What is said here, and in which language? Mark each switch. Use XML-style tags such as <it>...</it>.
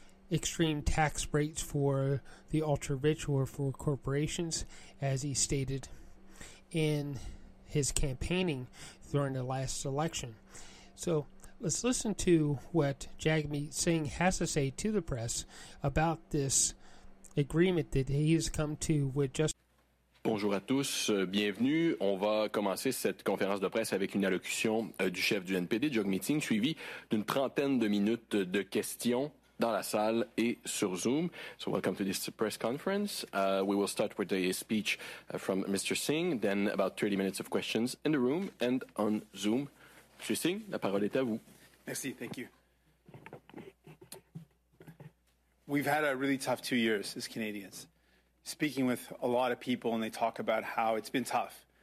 <en>extreme tax breaks for the ultra-rich or for corporations, as he stated in his campaigning during the last election. So let's listen to what Jagmeet Singh has to say to the press about this agreement that he has come to with Justin.</en> <fr>Bonjour à tous, bienvenue. On va commencer cette conférence de presse avec une allocution du chef du NPD, Jagmeet Singh, suivie d'une trentaine de minutes de questions dans la salle et sur Zoom.</fr> <en>So welcome to this press conference. We will start with a speech from Mr. Singh, then about 30 minutes of questions in the room and on Zoom.</en> <fr>Monsieur Singh, la parole est à vous.</fr> <en>Merci, thank you. We've had a really tough 2 years as Canadians. Speaking with a lot of people, and they talk about how it's been tough.</en>